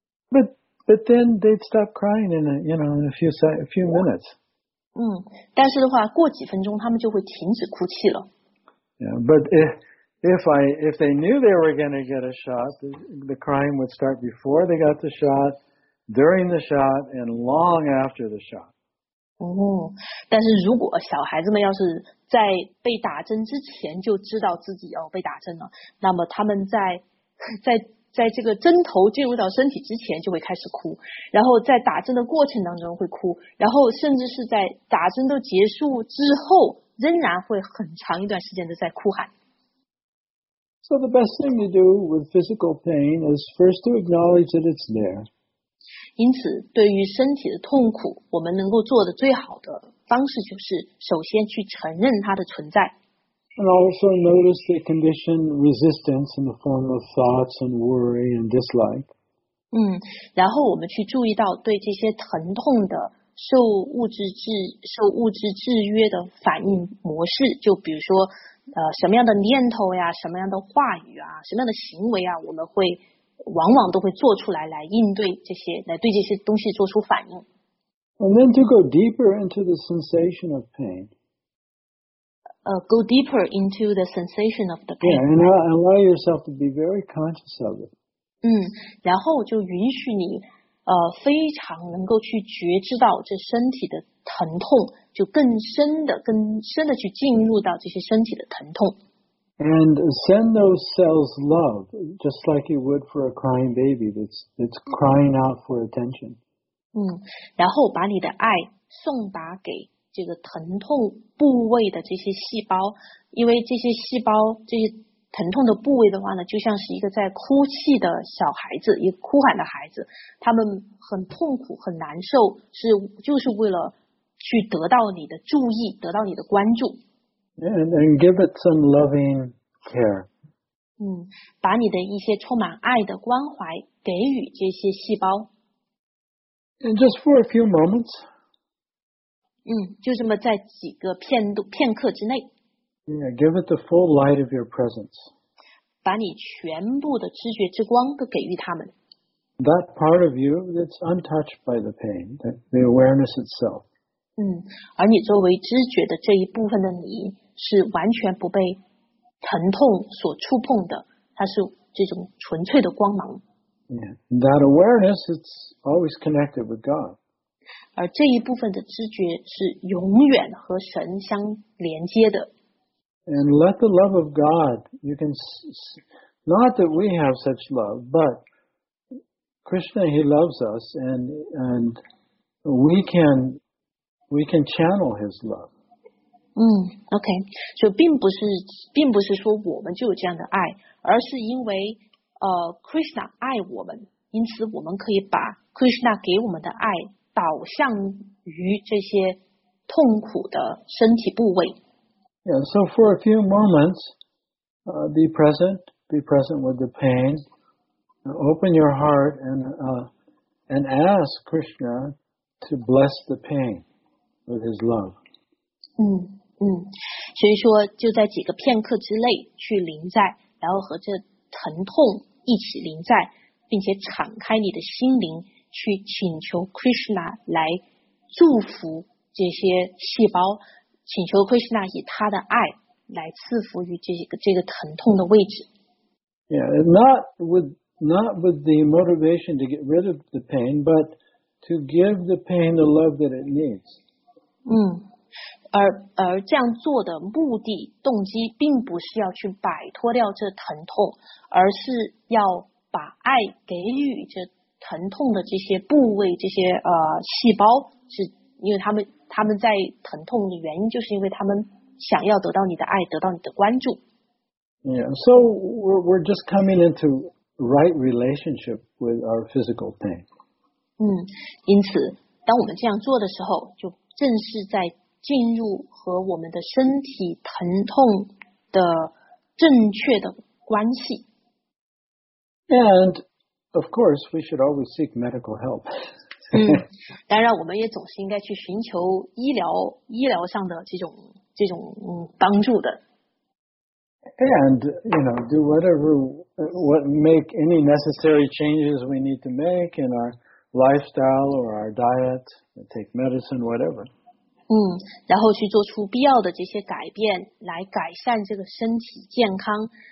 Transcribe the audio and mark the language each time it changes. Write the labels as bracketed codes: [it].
[en] But then they'd stop crying in a few minutes. [zh] 嗯，但是的话，过几分钟他们就会停止哭泣了。 [en] Yeah, but if they knew they were going to get a shot, the crying would start before they got the shot. During the shot and long after the shot. [zh] 哦，但是如果小孩子们要是在被打针之前就知道自己要被打针了，那么他们在这个针头进入到身体之前就会开始哭，然后在打针的过程当中会哭，然后甚至是在打针都结束之后，仍然会很长一段时间的在哭喊。 [en] So the best thing to do with physical pain is first to acknowledge that it's there. [zh] 因此对于身体的痛苦我们能够做的最好的方式就是首先去承认它的存在。 [en] And also notice the condition resistance in the form of thoughts and worry and dislike. [zh] 嗯，然后我们去注意到对这些疼痛的受物质制约的反应模式，就比如说什么样的念头呀，什么样的话语啊，什么样的行为啊，我们会往往都会做出来，来应对这些，来对这些东西做出反应。 [en] And then to go deeper into the sensation of pain. Go deeper into the sensation of the pain. Yeah, and allow yourself to be very conscious of it. [zh] 嗯，然后就允许你非常能够去觉知到这身体的疼痛，就更深的去进入到这些身体的疼痛。 [en] And send those cells love, just like you would for a crying baby that's crying out for attention. [zh] 嗯，然后把你的爱送达给这个疼痛部位的这些细胞，因为这些细胞，这些疼痛的部位的话呢，就像是一个在哭泣的小孩子，一个哭喊的孩子，他们很痛苦，很难受，就是为了去得到你的注意，得到你的关注。 [en] And give it some loving care. [zh] 嗯，把你的一些充满爱的关怀给予这些细胞。 [en] And just for a few moments. [zh] 嗯，就这么在几个片刻之内。 [en] Yeah, give it the full light of your presence. [zh] 把你全部的知觉之光都给予他们。 [en] That part of you that's untouched by the pain, the awareness itself. [zh] 嗯，而你作为知觉的这一部分的你是完全不被疼痛所触碰的，它是这种纯粹的光芒。 [en] Yeah, that awareness is always connected with God. [zh] 而这一部分的知觉是永远和神相连接的。 [en] And let the love of God, you can not that we have such love, but Krishna, He loves us, and we can channel His love. [zh] 嗯 ，OK， 就并不是说我们就有这样的爱，而是因为Krishna 爱我们，因此我们可以把 Krishna 给我们的爱导向于这些痛苦的身体部位。 [en] Yeah, so for a few moments, be present with the pain, open your heart and ask Krishna to bless the pain with his love. [zh] 所以说就在几个片刻之内去临在，然后和这疼痛一起临在，并且敞开你的心灵去请求 Krishna 来祝福这些细胞，请求 Krishna 以他的爱来赐福于这个疼痛的位置。 [en] Yeah, not with the motivation to get rid of the pain, but to give the pain the love that it needs. [zh] 而这样做的目的动机并不是要去摆脱掉这疼痛，而是要把爱给予这疼痛的这些部位，这些细胞，是因为他们在疼痛的原因，就是因为他们想要得到你的爱，得到你的关注。 [en] Yeah, so we're just coming into right relationship with our physical pain. [zh] 因此当我们这样做的时候，就正是在进入和我们的身体疼痛的正确的关系。 [en] And of course, we should always seek medical help. [zh] 当然我们也总是应该去寻求医疗上的这种帮助的。 [en] And, you know, do whatever, make any necessary changes we need to make in our lifestyle or our diet, take medicine, whatever. [zh] 然后去做出必要的这些改变来改善这个身体健康。